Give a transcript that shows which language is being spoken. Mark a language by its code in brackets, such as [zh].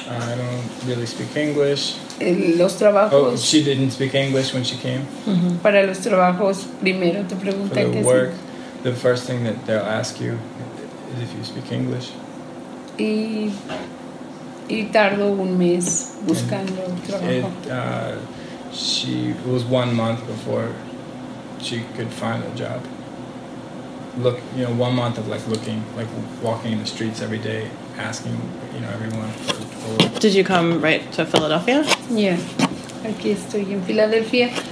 [en] I don't really speak English. [es] Los trabajos. [en] Oh, she didn't speak English when she came. Mm-hmm. [es] Para los trabajos, primero te preguntan [en] for the work. Sí. The first thing that they'll ask you is if you speak English. [es] Y tardó un mes buscando trabajo. [en] It was 1 month before she could find a job. Look, you know, 1 month of like looking, like walking in the streets every day, asking, you know, everyone. Did you come right to Philadelphia? [es] Yeah, aquí estoy en Philadelphia.